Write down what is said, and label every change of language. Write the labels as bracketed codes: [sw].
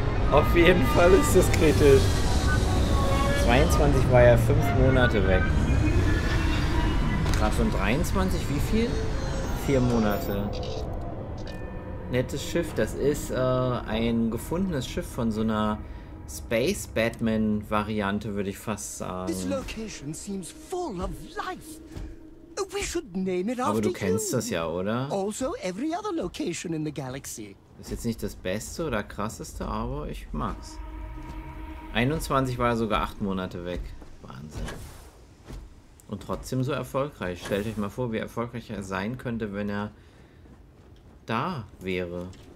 [de] Auf jeden Fall ist das kritisch. 22 war ja 5 Monate weg. Krass, und 23, wie viel? 4 Monate. Nettes Schiff, das ist ein gefundenes Schiff von so einer Space Batman Variante, würde ich fast sagen. [en] This location seems full of life. We should name it after you. [de] Aber du kennst das ja, oder? [en] Also every other location in the galaxy. [de] Ist jetzt nicht das Beste oder Krasseste, aber ich mag's. 21 war sogar 8 Monate weg. Wahnsinn. Und trotzdem so erfolgreich. Stellt euch mal vor, wie erfolgreich er sein könnte, wenn er da wäre.